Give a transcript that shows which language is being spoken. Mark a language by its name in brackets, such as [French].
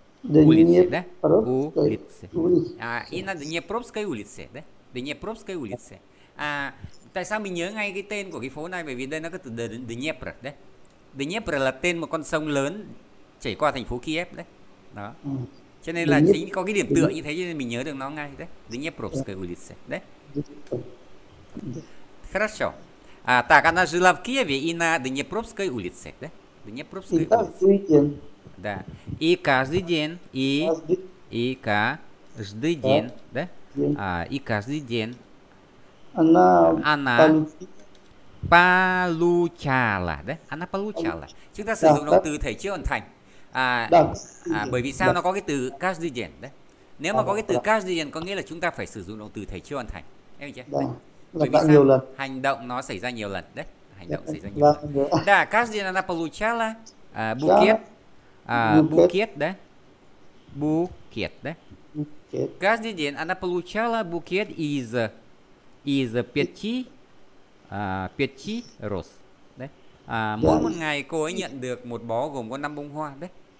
[Russian] Днепропетровской улице, да? Днепровской Улице. улице. А, и на Днепропской улице, да? Днепропской улице. [Vietnamese] А, tại sao mình nhớ ngay cái tên của cái phố này? Bởi vì đây nó có từ Днепр, да? Днепр là tên một con sông lớn chảy qua thành phố Kiev, đấy. Đó. Cho nên là chính có cái điểm tựa như thế cho nên mình nhớ được nó ngay, đấy. [Russian] Днепропская улица, đấy. Хорошо. À, так, она жила в Киеве и на Днепропской улице, да? И Днепропской так улице. выйдем. Да. И каждый день, и каждый день, да? А, и каждый день Она она получала, да? Она получала. [Vietnamese] Chúng ta sử dụng động từ thể chưa hoàn thành. Đặc Bởi vì sao nó có cái từ [Russian] каждый день, [Vietnamese] đấy? Nếu mà có cái từ каждый день có nghĩa là chúng ta phải sử dụng động từ thể chưa hoàn thành. Em chưa? Đấy. Bởi vì nhiều sao? Hành động nó xảy ra nhiều lần, đấy. Hành động xảy ra nhiều lần. [Russian] Đã, каждый день она получала букет, букет, да? Букет, да? Каждый день она получала букет из пяти, пяти роз, да? [Vietnamese] Мỗi một ngày cô ấy nhận được một bó gồm có 5 bông hoa, đấy.